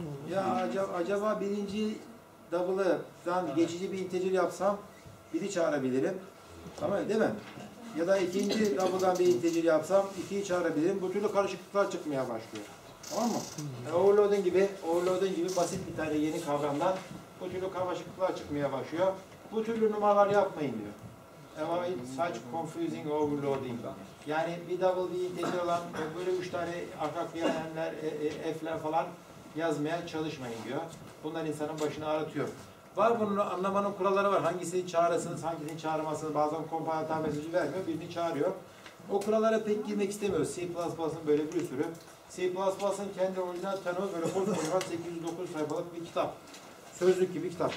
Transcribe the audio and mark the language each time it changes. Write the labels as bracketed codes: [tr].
[tr] Ya acaba birinci double'dan geçici bir integer yapsam biri çağırabilirim. Tamam mı? Değil mi? Ya da ikinci double'dan bir integer yapsam ikiyi çağırabilirim. Bu türlü karışıklıklar çıkmaya başlıyor. Tamam mı? Overloading gibi basit bir tane yeni kavramdan bu türlü karışıklıklar çıkmaya başlıyor. Bu türlü numaralar yapmayın diyor. [en] Avoid such confusing overloading. [tr] Yani bir double bir integer olan böyle üç tane arka kıyafetler f'ler falan yazmaya çalışmayın diyor. Bunlar insanın başını ağrıtıyor. Var bunun anlamanın kuralları var. Hangisini çağırırsınız, hangisini çağırmazsınız. Bazen komponentler mesajı vermiyor, birini çağırıyor. O kurallara pek girmek istemiyoruz. C++'ın böyle bir sürü. C++'ın kendi orijinal tanımı böyle koskoca 809 sayfalık bir kitap. Sözlük gibi kitap.